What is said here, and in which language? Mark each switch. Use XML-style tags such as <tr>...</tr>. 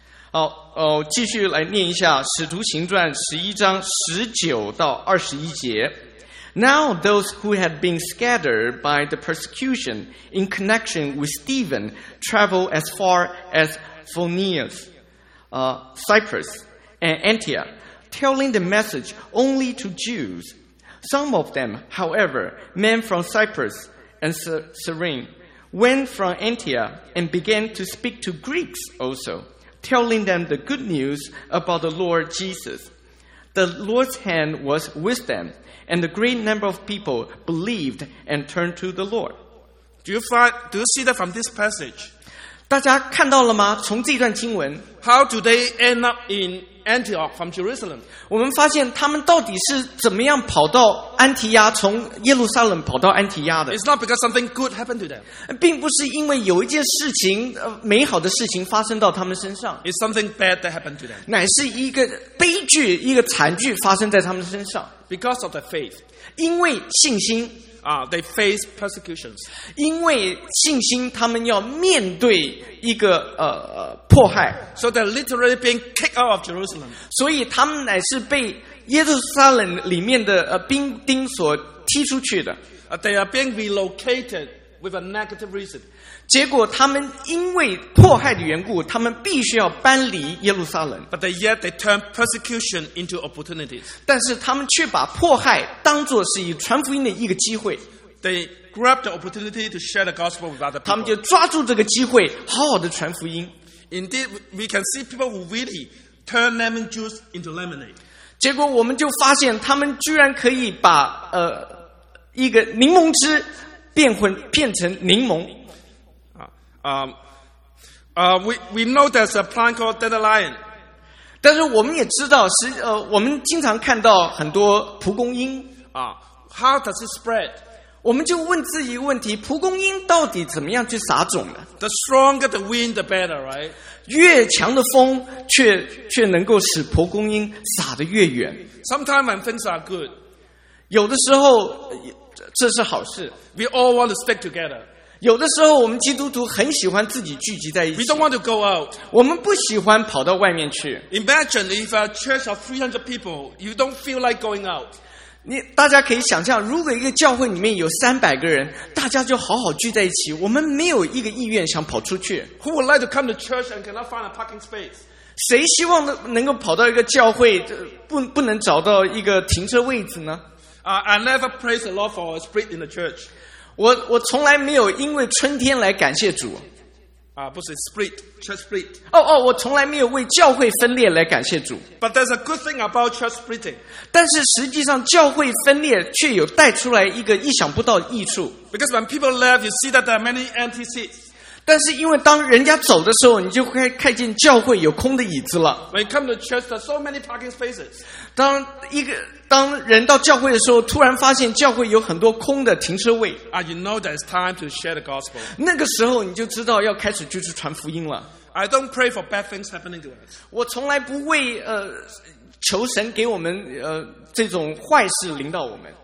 <zh>好，继续来念一下《使徒行传》十一章十九到二十一节。</zh> <en>Now those who had been scattered by the persecution in connection with Stephen traveled as far as Phoenicia, Cyprus, and Antioch, telling the message only to Jews. Some of them, however, men from Cyprus and Cyrene, went from Antioch and began to speak to Greeks also. Telling them the good news about the Lord Jesus. The Lord's hand was with them, and a great number of people believed and turned to the Lord. Do you see that from this passage?</en> <zh>大家看到了吗？从这段经文</zh> <en>How do they end up in Antioch from Jerusalem?</en> <zh>我们发现他们到底是怎么样跑到安提亚，从耶路撒冷跑到安提亚的。</zh> <en>It's not because something good happened to them.</en> <zh>并不是因为有一件事情，美好的事情发生到他们身上。</zh> <en>It's something bad that happened to them.</en> <zh>乃是一个悲剧，一个惨剧发生在他们身上。</zh> <en>Because of the faith.</en> <zh>因为信心。</zh> <en>They face persecutions.</en> <zh>因为信心，他们要面对一个迫害。</zh> <en>So they're literally being kicked out of Jerusalem.</en> <zh>所以他们乃是被耶路撒冷里面的兵丁所踢出去的。</zh> <en>They are being relocated with a negative reason.</en> <zh>结果他们因为迫害的缘故，他们必须要搬离耶路撒冷。</zh> <en>But yet they turn persecution into opportunities.</en> <zh>但是他们却把迫害当作是以传福音的一个机会。</zh> <en>They grab the opportunity to share the gospel with other people.</en> <zh>他们就抓住这个机会，好好的传福音。</zh> <en>Indeed, we can see people who really turn lemon juice into lemonade.</en> <zh>结果我们就发现，他们居然可以把一个柠檬汁变成柠檬。</zh> <en>We know there's a plant called dandelion.</en> <zh>但是我们也知道是我们经常看到很多蒲公英。</zh> <en>How does it spread?</en> <zh>我们就问自己一个问题，蒲公英到底怎么样去撒种呢？</zh> <en>The stronger the wind, the better, right?</en> <zh>越强的风却能够使蒲公英撒得越远。</zh> <en>Sometimes when things are good,</en> <zh>有的时候这是好事。</zh> <en>We all want to stick together.</en> <zh>有的时候我们基督徒很喜欢自己聚集在一起。</zh> <en>We don't want to go out.</en> <zh>我们不喜欢跑到外面去。</zh> <en>Imagine if a church of 300 people, you don't feel like going out.</en> <zh>你大家可以想象，如果一个教会里面有300个人，大家就好好聚在一起，我们没有一个意愿想跑出去。</zh> <en>Who would like to come to church and cannot find a parking space?</en> <zh>谁希望能够跑到一个教会，不能找到一个停车位置呢？</zh> <en>I never praise the Lord for a spirit in the church.</en> <zh>我从来没有因为春天来感谢主。不是</zh> <en>spirit, church spirit.</en> <zh>我从来没有为教会分裂来感谢主。</zh> <en>But there's a good thing about church splitting.</en> <zh>但是实际上教会分裂却有带出来一个意想不到的益处。</zh> <en>Because when people leave, you see that there are many empty seats.</en> <zh>但是因为当人家走的时候，你就会看见教会有空的椅子了。</zh> <en>When you come to church, there are so many parking spaces.</en> <zh>当人到教会的时候，突然发现教会有很多空的停车位。</zh> <en>You know that it's time to share the gospel.</en> <zh>那个时候你就知道要开始就是传福音了。</zh> <en>I don't pray for bad things happening to us.</en> <zh>我从来不为求神给我们这种坏事临到我们。</zh>